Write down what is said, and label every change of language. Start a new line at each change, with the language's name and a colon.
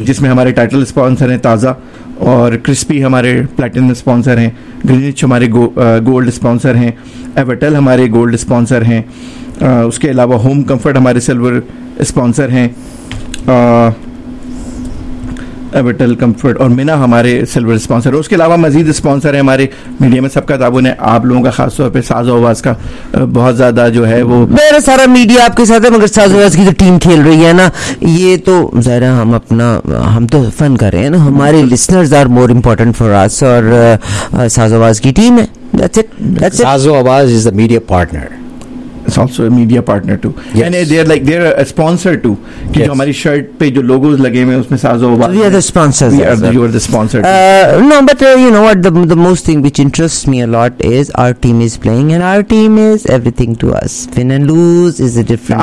Hindi: जिसमें हमारे title sponsor हैं ताज़ा और क्रिस्पी हमारे प्लैटिनम स्पॉन्सर हैं ग्रीनिच हमारे गोल्ड स्पॉन्सर हैं एवर्टल हमारे गोल्ड स्पॉन्सर हैं उसके अलावा होम कंफर्ट हमारे सिल्वर स्पॉन्सर हैं एवर्टल कंफर्ट और मीना हमारे सिल्वर स्पॉन्सर उसके अलावा मजीद स्पॉन्सर हैं हमारे मीडिया में सबका ताबून है आप लोगों का खास तौर पे साज़ो आवाज़ का बहुत ज़्यादा जो है वो मेरा सारा मीडिया आपके साथ है मगर साज़ो आवाज़ की जो टीम खेल रही है ना ये तो ज़रा हम अपना हम तो फन कर रहे हैं ना हमारे
English: listeners are more important for us
Hindi: और साज़ो आवाज़ की टीम है
English: Saazo Awaaz is the media partner It's also a media partner too. Yes. And they're a sponsor too.
Hindi: कि yes. जो हमारी शर्ट पे जो लोगोस लगे हुए हैं उसमें साज़ो आवाज़
English: We are the sponsors. You are the sponsor. No, but you know what? The most thing which interests me a lot is our team is playing and our team is everything to us. Win and lose is a different